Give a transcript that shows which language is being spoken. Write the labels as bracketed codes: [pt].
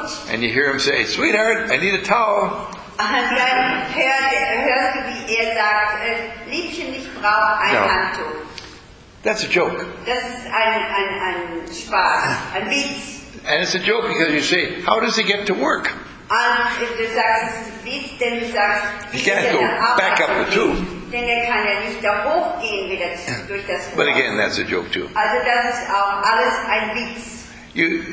[en] And you hear him say, sweetheart, I need a towel. [de] Und dann hörst du, wie er sagt, Liebchen, ich brauche ein Handtuch. [en] That's a joke. [de] Das ist ein Spaß, ein Witz. [en] And it's a joke because you say, how does he get to work? He can't go back up the tube. But again, that's a joke too.